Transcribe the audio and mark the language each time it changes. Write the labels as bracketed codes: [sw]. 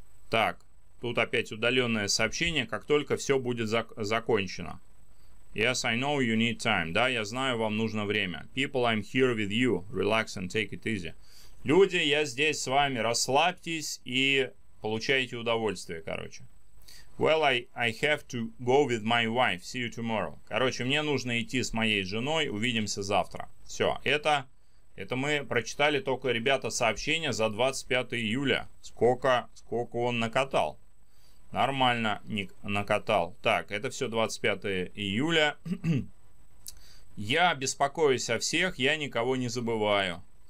[ru] Так, тут опять удаленное сообщение, как только все будет закончено. [en] Yes, I know you need time. [ru] Да, я знаю, вам нужно время. [en] People, I'm here with you. Relax and take it easy. [ru] Люди, я здесь с вами. Расслабьтесь и получайте удовольствие, короче. [en] Well, I have to go with my wife. See you tomorrow. [ru] Короче, мне нужно идти с моей женой. Увидимся завтра. Все, это мы прочитали только, ребята, сообщение за 25 июля. Сколько он накатал. Нормально Ник накатал. Так, это все 25 июля. Я беспокоюсь о всех, я никого не забываю.